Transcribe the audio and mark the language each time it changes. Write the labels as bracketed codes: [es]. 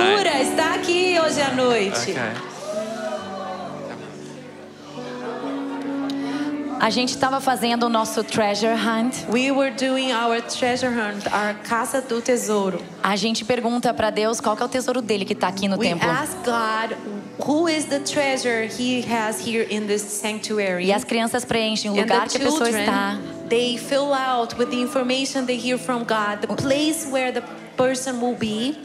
[pt] O que cura está aqui hoje à noite. [en] Okay. [pt] A gente estava fazendo o nosso treasure hunt. [en] We were doing our treasure hunt, [pt] our caça do tesouro. A gente pergunta para Deus qual que é o tesouro dele que está aqui no [en] we [pt] templo. [en] We ask God who is the treasure he has here in this sanctuary. [pt] E as crianças preenchem o lugar que a pessoa está. [en] They fill out with the information they hear from God, the place where the person will be.